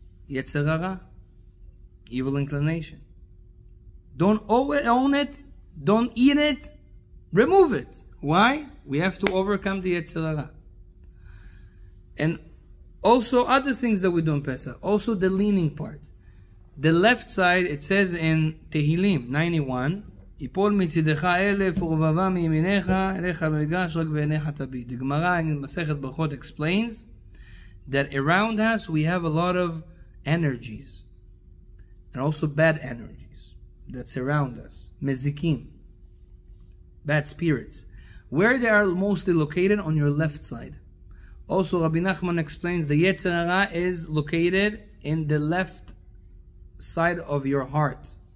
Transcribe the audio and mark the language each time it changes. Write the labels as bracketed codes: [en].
[en] Yetzer hara, evil inclination. Don't own it, don't eat it, remove it. Why? We have to overcome the yetzer hara. And also other things that we do in Pesach. Also the leaning part. The left side, it says in Tehillim 91, [he] יפול מצדך אלף ורבבה מימיניך, אליך לא יגש רק בעיניך תביט. [en] The Gemara in Masechet Brachot explains that around us we have a lot of energies and also bad energies that surround us. Mezikim. Bad spirits. Where they are mostly located? On your left side. Also, Rabbi Nachman explains the Yetzer Hara is located in the left side of your heart.